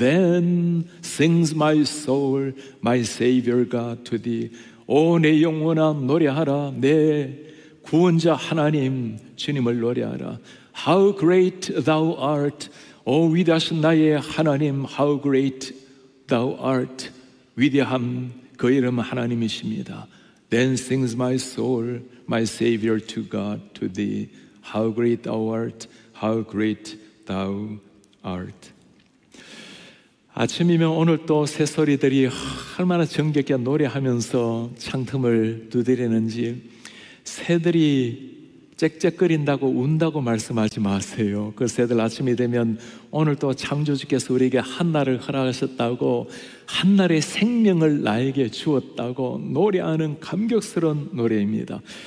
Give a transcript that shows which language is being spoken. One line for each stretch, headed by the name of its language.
English: Then sings my soul, my Savior God to thee,
Korean: 오 내 영혼아 노래하라, 내 구원자 하나님 주님을 노래하라.
English: How great thou art,
Korean: 오 위대하신 나의 하나님,
English: How great thou art,
Korean: 위대함 그 이름 하나님이십니다.
English: Then sings my soul, my Savior to God, to thee, How great thou art, How great thou art.
Korean: 아침이면 오늘 또 새소리들이 얼마나 정겹게 노래하면서 창틈을 두드리는지, 새들이 짹짹거린다고 운다고 말씀하지 마세요. 그 새들 아침이 되면 오늘도 창조주께서 우리에게 한날을 허락하셨다고, 한날의 생명을 나에게 주었다고 노래하는 감격스러운 노래입니다.